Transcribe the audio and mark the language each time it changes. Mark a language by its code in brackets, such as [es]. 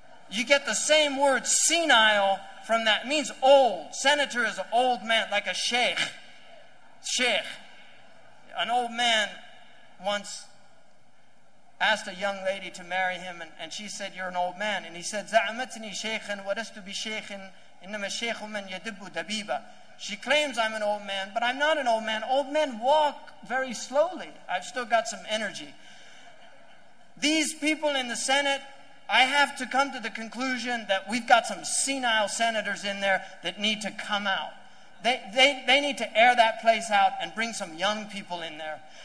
[en] You get the same word senile from that. It means old. Senator is an old man, like a sheikh. Sheikh. An old man once asked a young lady to marry him, and she said, you're an old man. And he said, [ar] زَعَمَتْنِي شَيْخًا وَرَسْتُ بِشَيْخٍ إِنَّمَا شَيْخُ مَنْ يَدِبُّ دَبِيبًا. [en] She claims I'm an old man, but I'm not an old man. Old men walk very slowly. I've still got some energy. These people in the Senate, I have to come to the conclusion that we've got some senile senators in there that need to come out. They need to air that place out and bring some young people in there.